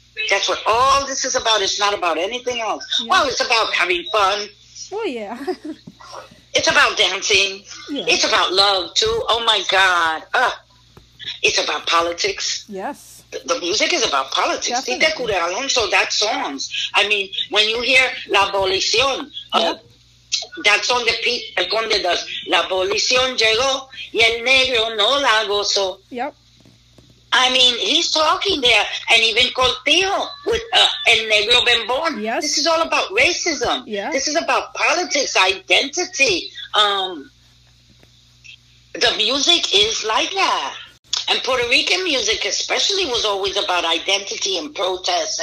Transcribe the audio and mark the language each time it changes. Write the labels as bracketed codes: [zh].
[en] That's what all this is about. It's not about anything else. Yeah. Well, it's about having fun. Oh, yeah. It's about dancing. Yeah. It's about love, too. Oh, my God. It's about politics. Yes. The music is about politics. Tita Cura Alonso, that song. I mean, when you hear [es] La Abolición, that song that Pete Alconde does, La Abolición llegó y el negro no la gozó. [en] Yep. I mean, he's talking there, and even Cortijo with El Negro Ben Born. Yes. This is all about racism. Yes. This is about politics, identity. The music is like that. And Puerto Rican music especially was always about identity and protest.